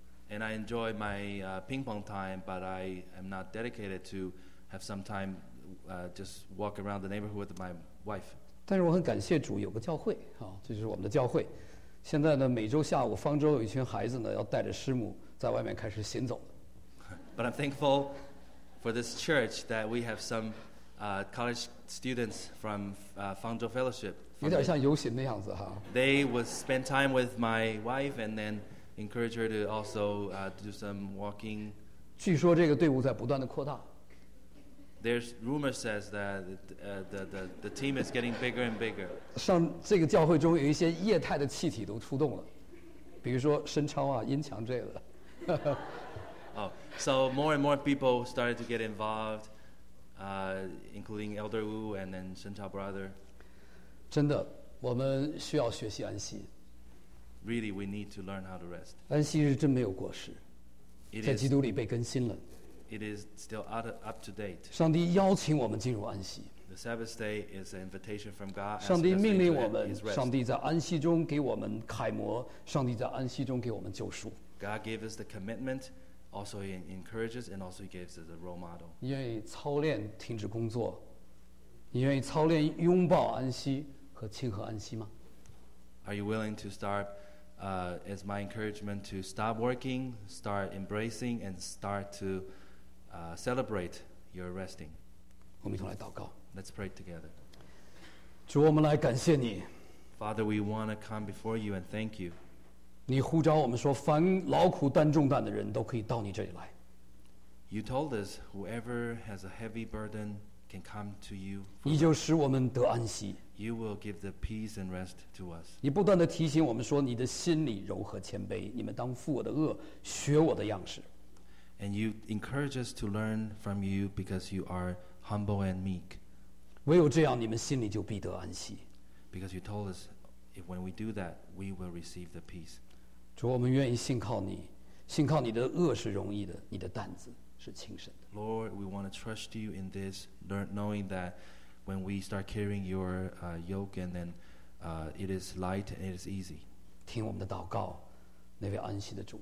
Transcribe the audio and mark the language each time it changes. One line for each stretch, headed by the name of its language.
English: And I enjoy my ping pong time, but I am not dedicated to have some time just walk around the neighborhood with my wife.
Chinese: 但是我很感谢主有个教会啊，这就是我们的教会。现在呢，每周下午方舟有一群孩子呢，要带着师母在外面开始行走。
English: But I'm thankful for this church that we have some college students from Fangzhou Fellowship.
Chinese: 有点像游行的样子哈。
English: They would spend time with my wife and then. Encourage her to also do some walking.
Chinese: 据说这个队伍在不断的扩大。
English: There's rumor says that the team is getting bigger and bigger.
Chinese: 上这个教会中有一些液态的气体都出动了，比如说声超啊、音强这个。
English: Oh, so more and more people started to get involved, including Elder Wu and then Shen Chao brother.
Chinese: 真的，我们需要学习安息。
English: Really, we need to learn how to rest.
Chinese: 安息日真没有过时，在基督里被更新了。
English: It is still up to date.
Chinese: 上帝邀请我们进入安息。
English: The Sabbath day is an invitation from God.
Chinese: 上帝命令我们，上帝在安息中给我们楷模，上帝在安息中给我们救赎。
English: God gave us the commitment, also he encourages and also he gives us a role model.
Chinese: 你愿意操练停止工作，你愿意操练拥抱安息和庆贺安息吗？
English: Are you willing to start? Is my encouragement to stop working, start embracing, and start to celebrate your resting?
Chinese: 我们一同来祷告。
English: Let's pray together.
Chinese: 主，我们来感谢你。
English: Father, we want to come before you and thank you.
Chinese: 你呼召我们说，凡劳苦担重担的人都可以到你这里来。
English: You told us, whoever has a heavy burden can come to you.
Chinese: 你就使我们得安息。
English: You will give the peace and rest to us.
Chinese: 你不断地提醒我们说，你的心里柔和谦卑，你们当负我的轭，学我的样式。
English: And you encourage us to learn from you because you are humble and meek.
Chinese: 唯有这样，你们心里就必得安息。
English: Because you told us, if when we do that, we will receive the peace.
Chinese: 主，我们愿意信靠你，信靠你的轭是容易的，你的担子是轻省的。
English: Lord, we want to trust you in this, knowing that. When we start carrying your yoke, and then it is light and it is easy.
Chinese: 听我们的祷告，那位安息的主。